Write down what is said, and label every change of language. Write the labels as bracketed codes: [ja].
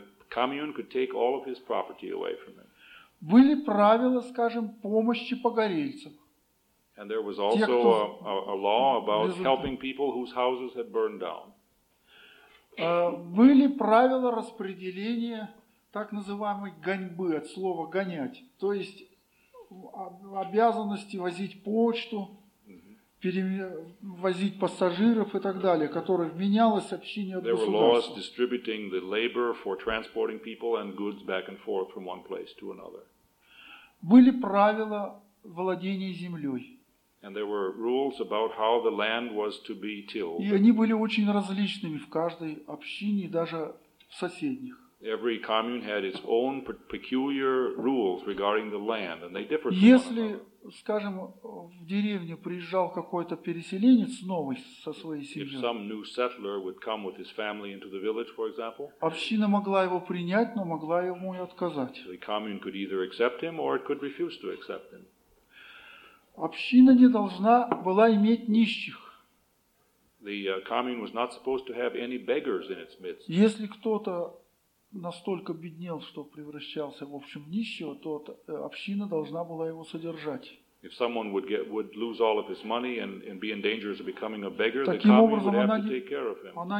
[en] Commune could take all of his property away from him. [ru] Были правила, скажем, помощи погорельцам. [en] And there was also a law about helping people whose houses had burned down. [ru] Были правила распределения так называемой гоньбы, от слова гонять, то есть обязанности возить почту, перевозить пассажиров и так далее, которые вменялось общине от государства. [en] There were laws distributing the labor for transporting people and goods back and forth from one place to another. [ru] Были правила владения землей. [en] And there were rules about how the land was to be tilled. [ru] И они были очень различными в каждой общине, даже в соседних. [en] Every commune had its own peculiar rules regarding the land, and they differed. [ru] Если, скажем, в деревню приезжал какой-то переселенец новый со своей семьей, [en] if some new settler would come with his family into the village, for example, [ru] община могла его принять, но могла ему и отказать. [en] The commune could either accept him or it could refuse to accept him. [ru] Община не должна была иметь нищих. [en] The commune was not supposed to have any beggars in its midst. [ru] Если кто-то настолько беднел, что превращался в общем в нищего, то община должна была его содержать. [en] If someone would lose all of his money and be in danger of becoming a beggar, the commune would have to take care of him.